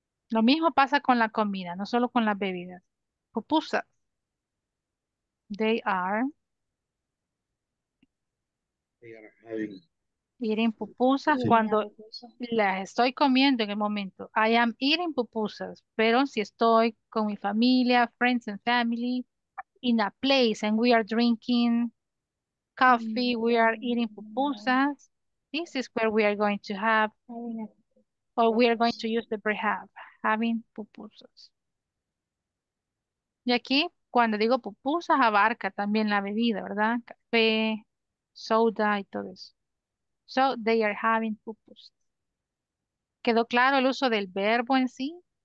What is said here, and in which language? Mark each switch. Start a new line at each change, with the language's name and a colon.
Spanish: Lo mismo pasa con la comida, no solo con las bebidas. Pupusas.
English: They are having. Eating pupusas
Spanish: cuando las estoy comiendo en el momento.
English: I am eating pupusas,
Spanish: pero si estoy con mi familia,
English: friends and family, in a place and we are drinking coffee, we are eating pupusas, this is where we are going to have, or we are going to use the verb have, having pupusas.
Spanish: Y aquí, cuando digo pupusas, abarca también la bebida, ¿verdad? Café, soda y todo eso.
English: So, they are having pupusas.
Spanish: ¿Quedó claro el uso del verbo en sí?